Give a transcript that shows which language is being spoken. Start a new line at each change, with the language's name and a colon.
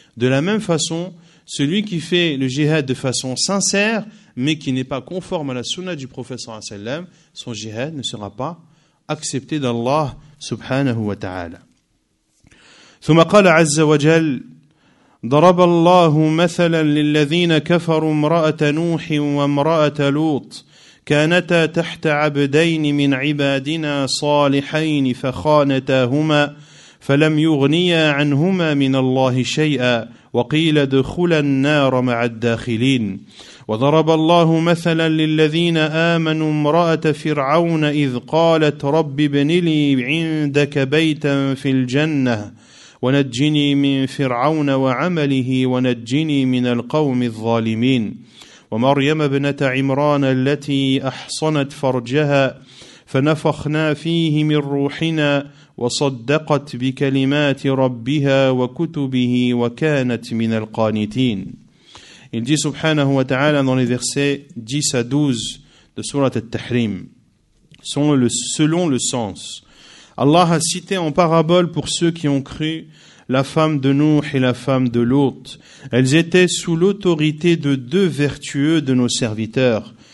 French: De la même façon, celui qui fait le jihad de façon sincère, mais qui n'est pas conforme à la sunna du prophète sallallahu alayhi wa sallam, son jihad ne sera pas accepté d'Allah subhanahu wa ta'ala.
Arabic: ثم قال عز وجل ضرب الله مثلا للذين كفروا امرأة نوح وامرأة لوط كانتا تحت عبدين من عبادنا صالحين فخانتاهما فلم يغنيا عنهما من الله شيئا وقيل ادخلا النار مع الداخلين. وضرب الله مثلا للذين آمنوا امرأة فرعون إذ قالت رب ابن لي عندك بيتا في الجنة ونجني من فرعون وعمله ونجني من القوم الظالمين. ومريم ابنة عمران التي أحصنت فرجها فنفخنا فيه من روحنا وصدقت بكلمات ربها وكتبه وكانت من القانتين.
French: Il dit subhanahu wa ta'ala dans les versets 10 à 12 de Sourate al-Tahrim, selon le sens. Allah a cité en parabole pour ceux qui ont cru la femme de Nuh et la femme de Lot. Elles étaient sous l'autorité de deux vertueux de nos serviteurs.